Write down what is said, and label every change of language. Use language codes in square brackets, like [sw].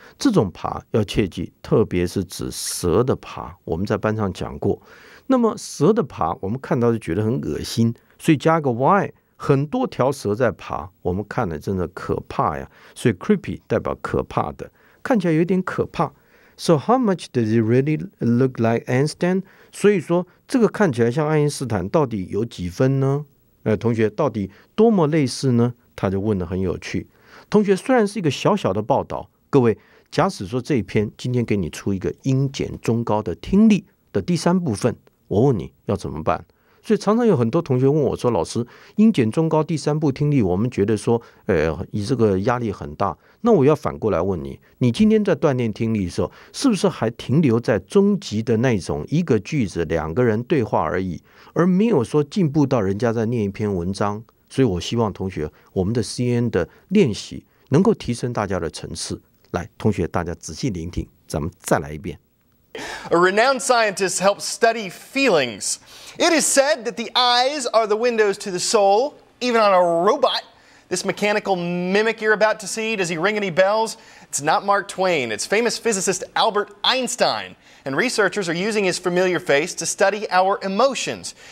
[zh] 这种爬要切记，特别是指蛇的爬，我们在班上讲过。那么蛇的爬我们看到就觉得很恶心，所以加个 y， 很多条蛇在爬，我们看了真的可怕呀。所以 creepy 代表可怕的，看起来有点可怕。 [en] So how much does it really look like Einstein？ [zh] 所以说这个看起来像爱因斯坦到底有几分呢？同学到底多么类似呢？他就问得很有趣。同学虽然是一个小小的报道，各位假使说这一篇今天给你出一个英检中高的听力的第三部分，我问你要怎么办？所以常常有很多同学问我说，老师英检中高第三部听力我们觉得说你这个压力很大，那我要反过来问你，你今天在锻炼听力的时候是不是还停留在中级的那种一个句子两个人对话而已，而没有说进步到人家在念一篇文章？所以我希望同学我们的 CN 的练习能够提升大家的层次。来，同学，大家仔细聆听，咱们再来一遍。 [en] A renowned scientist helps study feelings. It is said that the eyes are the windows to the soul, even on a robot. This mechanical mimic you're about to see, does he ring any bells? It's not Mark Twain. It's famous physicist Albert Einstein. And researchers are using his familiar face to study our emotions.